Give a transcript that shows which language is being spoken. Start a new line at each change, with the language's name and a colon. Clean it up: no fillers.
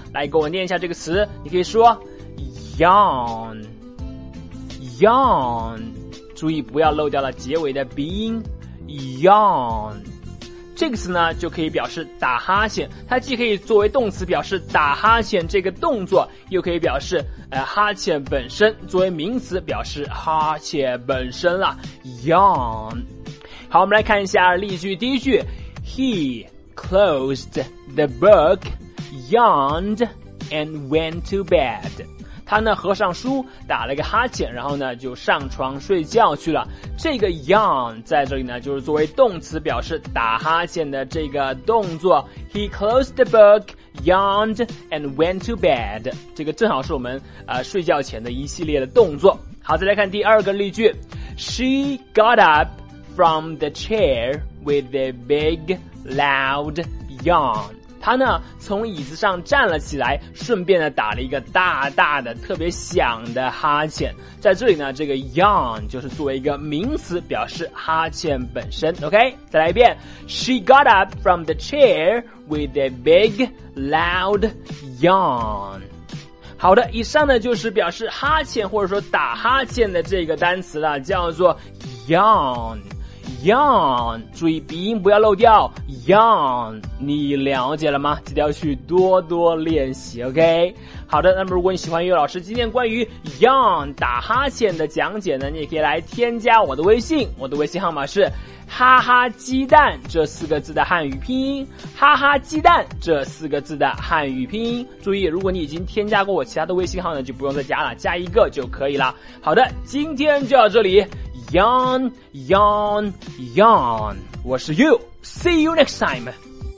Chinese: 来，给我念一下这个词，你可以说 yawn， 注意不要漏掉了结尾的鼻音 yawn。这个词呢就可以表示打哈欠，它既可以作为动词表示打哈欠这个动作，又可以表示哈欠本身，作为名词表示哈欠本身啦， yawn。好，我们来看一下例句。第一句，
English: He closed the book, yawned and went to bed。
Chinese: 他呢合上书，打了个哈欠，然后呢就上床睡觉去了。这个 yawn 在这里呢就是作为动词表示打哈欠的这个动作。
English: He closed the book, yawned and went to bed，
Chinese: 这个正好是我们睡觉前的一系列的动作。好，再来看第二个例句。
English: She got up from the chair with a big loud yawn。
Chinese: 她呢从椅子上站了起来，顺便呢打了一个大大的特别响的哈欠。在这里呢这个 yawn 就是作为一个名词表示哈欠本身。 OK， 再来一遍。
English: She got up from the chair with a big loud yawn。
Chinese: 好的，以上呢就是表示哈欠或者说打哈欠的这个单词了，叫做 yawn， 注意鼻音不要漏掉 yawn， 你了解了吗？记得要去多多练习。OK， 好的，那么如果你喜欢岳老师今天关于 yawn 打哈欠的讲解呢，你也可以来添加我的微信，我的微信号码是哈哈鸡蛋这四个字的汉语拼音，哈哈鸡蛋这四个字的汉语拼音。注意如果你已经添加过我其他的微信号呢，就不用再加了，加一个就可以了。好的，今天就到这里。
English: Yawn, yawn, yawn.
Chinese: 我是
English: You. See you next time.